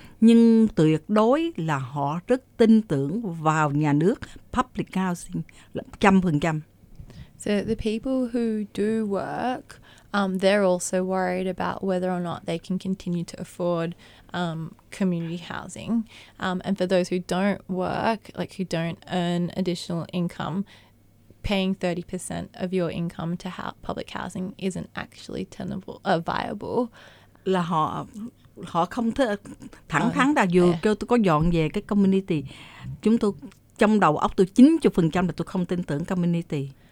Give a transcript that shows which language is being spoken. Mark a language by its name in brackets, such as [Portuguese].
[Vietnamese] Nhưng tuyệt đối là họ rất tin tưởng vào nhà nước, public housing, 100%. [English] So the people who do work, they're also worried about whether or not they can continue to afford community housing. And for those who don't work, like who don't earn additional income, paying 30% of your income to public housing isn't actually tenable or viable. [Vietnamese] Là họ không thẳng thắn là dù kêu tôi có dọn về cái community, chúng tôi trong đầu óc tôi 90% là tôi không tin tưởng community.